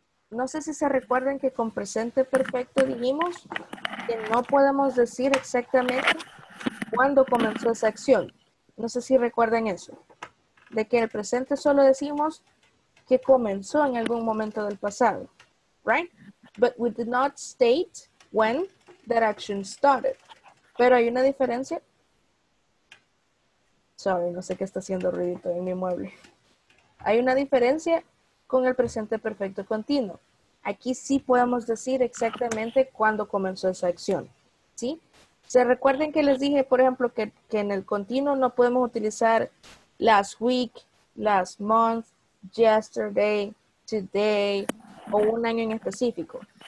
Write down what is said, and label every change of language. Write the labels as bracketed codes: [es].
[es] No sé si se recuerdan que con presente perfecto dijimos que no podemos decir exactamente cuándo comenzó esa acción. No sé si recuerdan eso. De que el presente solo decimos que comenzó en algún momento del pasado. [en] Right? But we did not state when that action started. [es] Pero hay una diferencia. Sorry, no sé qué está haciendo ruidito en mi mueble. Hay una diferencia con el presente perfecto continuo. Aquí sí podemos decir exactamente cuándo comenzó esa acción. ¿Sí? ¿Se recuerden que les dije, por ejemplo, que en el continuo no podemos utilizar [en] last week, last month, yesterday, today, [es] o un año en específico?